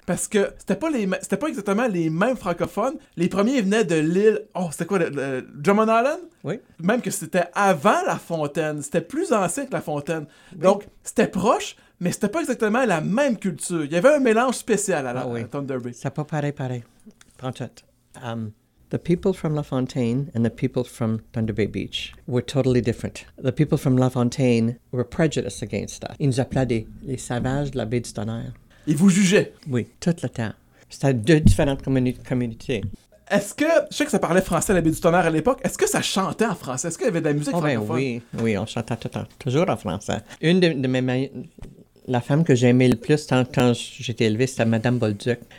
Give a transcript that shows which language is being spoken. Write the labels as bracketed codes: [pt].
[fr] Parce que c'était pas exactement les mêmes francophones. Les premiers venaient de l'île. Oh, c'était quoi, le Drummond Island? Oui. Même que c'était avant La Fontaine. C'était plus ancien que La Fontaine. Oui. Donc, c'était proche, mais c'était pas exactement la même culture. Il y avait un mélange spécial à Thunder Bay. C'est pas pareil. Pantoute. [en] The people from La Fontaine and the people from Thunder Bay Beach were totally different. The people from La Fontaine were prejudiced against that. [fr] Ils nous appelaient les sauvages de la baie du Tonnerre. Ils vous jugeaient? Oui, tout le temps. C'était deux différentes communautés. Est-ce que, je sais que ça parlait français à la baie du Tonnerre à l'époque, est-ce que ça chantait en français? Est-ce qu'il y avait de la musique francophone? Oui, on chantait toujours en français. Une de mes meilleures... La femme que j'aimais le plus quand j'étais élevée, c'était Madame Bolduc.